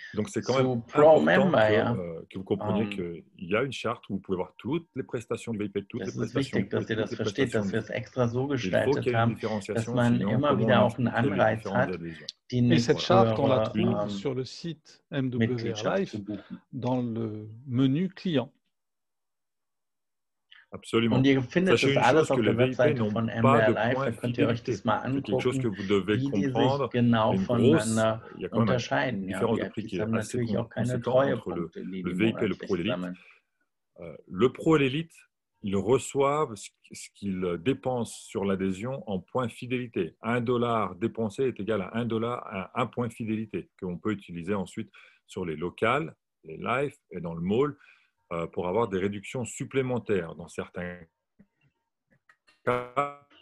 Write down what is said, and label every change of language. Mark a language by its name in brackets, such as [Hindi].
[French] donc c'est quand même pro-member, que vous compreniez qu'il y a une charte où vous pouvez voir toutes les prestations du VIP, toutes les prestations. C'est [German] wichtig, dass ihr das versteht, dass wir es extra so gestaltet haben, dass man immer wieder auch einen Anreiz hat. [French] Et cette charte, on la trouve sur le site MWRLife dans le menu client. Absolument. [German] Und ihr findet das alles auf der Webseite von MWRLife. Da könnt ihr euch das mal angucken, wie die sich genau voneinander unterscheiden. Ja, VIPs haben natürlich auch keine Treuepunkte, die VIP und Pro Elite. [French] Le Pro et l'Elite, ils reçoivent ce qu'ils dépensent sur l'adhésion en points fidélité. Un dollar dépensé est égal à un point fidélité qu'on peut utiliser ensuite sur les locales, les live et dans le mall pour avoir des réductions supplémentaires dans certains cas.